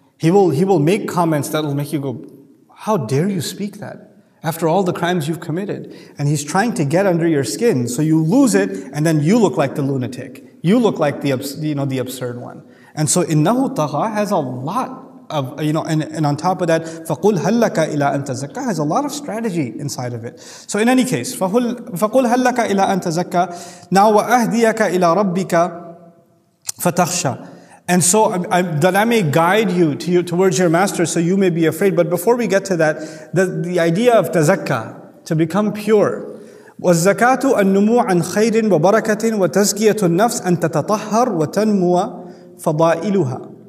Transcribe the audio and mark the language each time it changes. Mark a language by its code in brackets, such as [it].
[en] He will make comments that will make you go, how dare you speak that, after all the crimes you've committed? And he's trying to get under your skin, so you lose it, and then you look like the lunatic. You look like the absurd one. And so innahu tagha has a lot of, you know, and on top of that, [ar] فَقُلْ هَلَّكَ إِلَىٰ أَن تَزَكَّى [en] has a lot of strategy inside of it. So in any case, [ar] فَقُلْ هَلَّكَ إِلَىٰ أَن تَزَكَّى now وَأَهْدِيَكَ إِلَىٰ رَبِّكَ فَتَخْشَى. [en] And so that I may guide you towards your master, so you may be afraid. But before we get to that, the idea of تَزَكَّى, to become pure, [ar] وَالزَّكَاةُ النُّمُوعَ عَنْ خَيْرٍ وَبَرَكَةٍ وَتَزْكِيَةُ النَّفْسِ أَن تَتَطَهَّرُ وَتَنْمُوَ فَضَائِلُهَا.